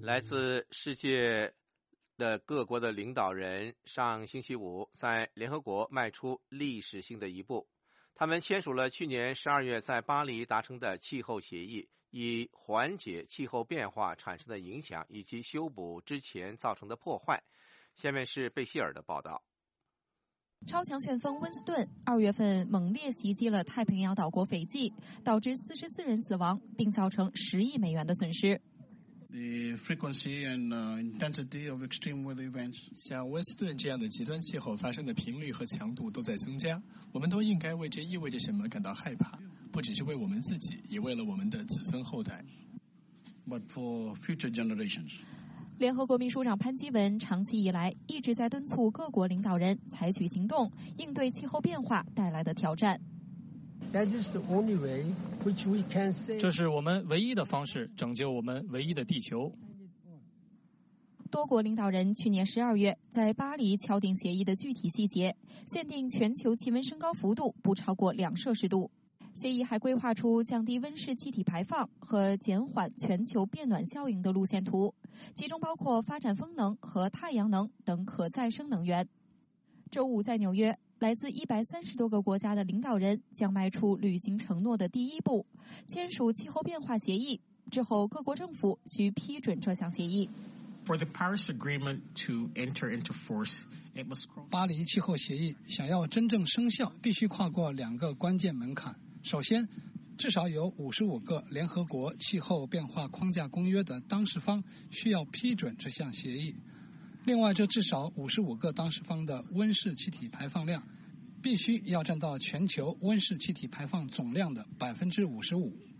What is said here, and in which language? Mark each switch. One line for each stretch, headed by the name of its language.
Chinese: 来自世界的各国的领导人上星期五在联合国迈出历史性的一步，他们签署了去年12月在巴黎达成的气候协议，以缓解气候变化产生的影响以及修补之前造成的破坏。下面是贝希尔的报道。超强旋风温斯顿二月份猛烈袭击了太平洋岛国斐济，导致44人死亡，并造成$10亿的损失。
English: The frequency and intensity of extreme weather events.
Chinese: 像温斯顿这样的极端气候发生的频率和强度都在增加，我们都应该为这意味着什么感到害怕，不只是为我们自己，也为了我们的子孙后代。
English: But for future generations.
Chinese: 联合国秘书长潘基文长期以来一直在敦促各国领导人采取行动，应对气候变化带来的挑战。
English: That is the only way which we can save.
Chinese: 这是我们唯一的方式，拯救我们唯一的地球。多国领导人去年12月在巴黎敲定协议的具体细节，限定全球气温升高幅度不超过2摄氏度。协议还规划出降低温室气体排放和减缓全球变暖效应的路线图，其中包括发展风能和太阳能等可再生能源。周五在纽约，来自130多个国家的领导人将迈出履行承诺的第一步，签署气候变化协议，之后各国政府需批准这项协议。
English: For the Paris Agreement to enter into force, it must cross.
Chinese: 巴黎气候协议想要真正生效，必须跨过两个关键门槛。首先，至少有55个联合国气候变化框架公约的当事方需要批准这项协议。另外，这至少55个当事方的温室气体排放量必须要占到全球温室气体排放总量的55%。